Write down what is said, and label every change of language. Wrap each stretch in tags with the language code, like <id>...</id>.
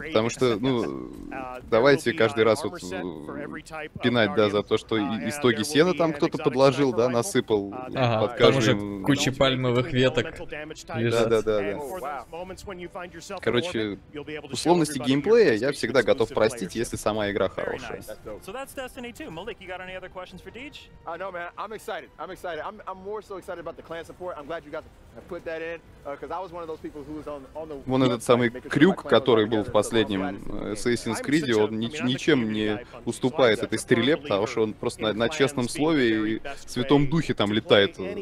<ru>Потому что, ну, давайте каждый раз вот пинать, да, за то, что и стоги сена там кто-то подложил, да, насыпал. Ага, под каждым... там уже куча пальмовых веток лежат. Да. Короче, условности геймплея я всегда готов простить, оценить, если сама игра хорошая.</ru> <en>So that's Destiny 2. Malik, you got any other questions for Deej? No, man. I'm excited. I'm more so excited about the clan support. I'm glad you got to put that in, because I was one of those people who was on the.</en> <ru>Вон этот самый крюк, который был в последнем Assassin's Creed, он ничем не уступает этой стреле, потому что он просто на честном слове и в Святом Духе там летает.</ru>